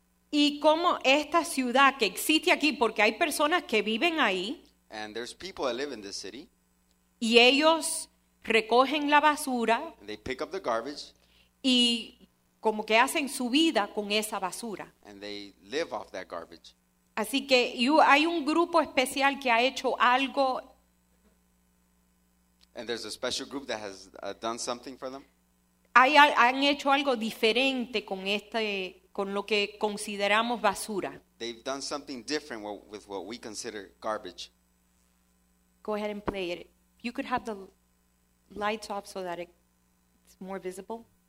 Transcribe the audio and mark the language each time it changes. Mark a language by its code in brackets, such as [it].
[es] Y cómo esta ciudad que existe aquí, porque hay personas que viven ahí. [en] And there's people that live in this city. [es] Y ellos recogen la basura. [en] And they pick up the garbage. [es] Y como que hacen su vida con esa basura. [en] And they live off that garbage. [es] Así que hay un grupo especial que ha hecho algo. [en] And there's a special group that has done something for them. [es] Han hecho algo diferente con este, con lo que consideramos basura. [en] They've done something different with what we consider garbage. Go ahead and play it. You could have the lights off so that it's more visible.